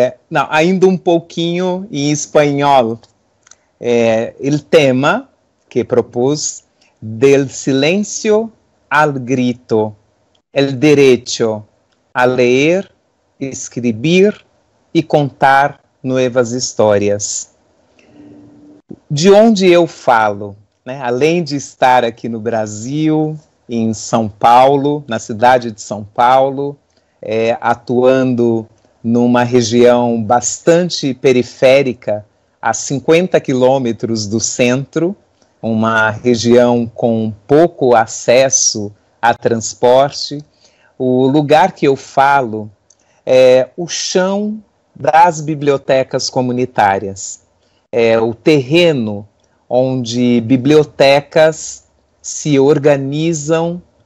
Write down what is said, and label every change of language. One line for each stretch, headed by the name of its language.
Portuguese: Não, ainda um pouquinho em espanhol.
Spanish: El tema que
Portuguese: propus,
Spanish: del silencio al grito, el derecho a leer, escribir y contar nuevas historias.
Portuguese: De onde eu falo, né? Além de estar aqui no Brasil, em São Paulo, na cidade de São Paulo, atuando numa região bastante periférica, a 50 quilômetros do centro, uma região com pouco acesso a transporte, o lugar que eu falo é o chão das bibliotecas comunitárias, é o terreno onde bibliotecas se organizam,